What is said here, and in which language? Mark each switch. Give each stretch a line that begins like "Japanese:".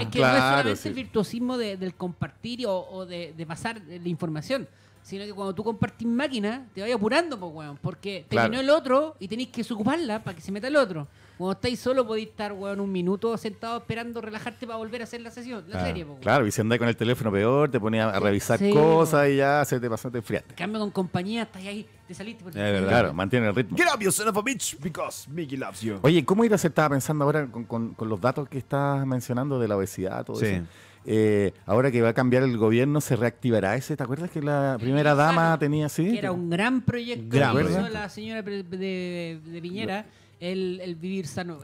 Spanish: Es que claro, no es el virtuosismo del compartir o de pasar la información, sino que cuando tú compartís máquina, te vas apurando, pues, weón, porque terminó el otro y tenés que ocuparla para que se meta el otro. Cuando estáis solo podéis estar, weón, un minuto sentado esperando relajarte para volver a hacer la sesión. La serie, pues, claro, y si andáis con el teléfono peor, te ponía a revisar cosas y ya se te pasó, te enfriaste. Cambio con compañía, estás ahí, te saliste. Porque... Es verdad. Claro, mantiene el ritmo.
English: Get up, you son of a bitch, because Mickey loves you.
Spanish: Oye, ¿cómo irás? Estaba pensando ahora con los datos que estás mencionando de la obesidad, todo sí. Eso. Ahora que va a cambiar el gobierno, ¿se reactivará ese? ¿Te acuerdas que la primera dama tenía así? Que era un gran proyecto que hizo la señora de Piñera. El vivir sano.